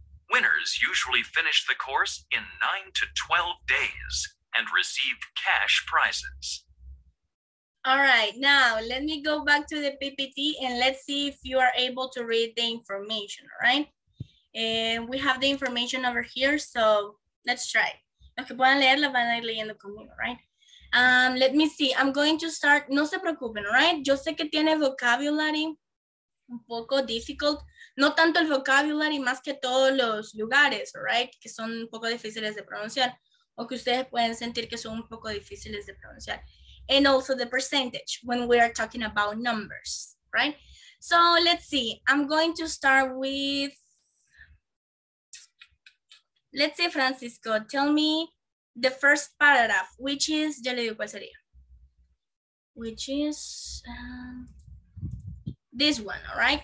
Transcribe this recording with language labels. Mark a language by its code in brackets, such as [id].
[en] Winners usually finish the course in 9 to 12 days and receive cash prizes. All right, now let me go back to the PPT and let's see if you are able to read the information, all right? And we have the information over here, so let's try. [es] Los que puedan leerla van a ir leyendo conmigo, [en] right? Let me see, I'm going to start, [es] no se preocupen, [en] all right? [es] Yo sé que tiene vocabulary un poco difficult, no tanto el vocabulary, más que todos los lugares, [en] all right? [es] Que son un poco difíciles de pronunciar, o que ustedes pueden sentir que son un poco difíciles de pronunciar. [en] And also the percentage when we are talking about numbers, right? So let's see, I'm going to start with, let's see, Francisco, tell me the first paragraph, which is, [es] ya le digo cuál sería, [en] which is this one, all right?